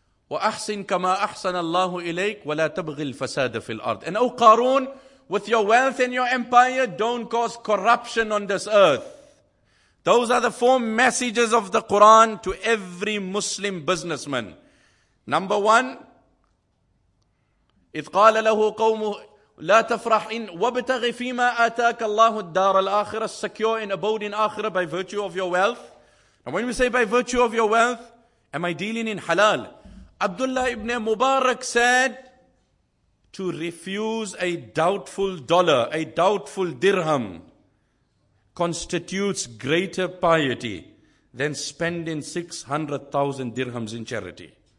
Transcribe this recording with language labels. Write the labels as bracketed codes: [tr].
[ar] وَأَحْسِنْ كَمَا أَحْسَنَ اللَّهُ إِلَيْكَ وَلَا تَبْغِي الْفَسَادَ فِي الْأَرْضِ. [en] And O Qarun, with your wealth and your empire, don't cause corruption on this earth. Those are the four messages of the Quran to every Muslim businessman. Number one, [ar] إِذْ قَالَ لَهُ قَوْمُهُ لَا تَفْرَحْ إِنْ وَبْتَغِ فِي مَا آتَاكَ اللَّهُ الدَّارَ الْآخِرَةِ. [en] Secure and abode in Akhirah by virtue of your wealth. Now when we say by virtue of your wealth, am I dealing in halal? Abdullah ibn Mubarak said, to refuse a doubtful dollar, a doubtful dirham, constitutes greater piety than spending 600,000 dirhams in charity.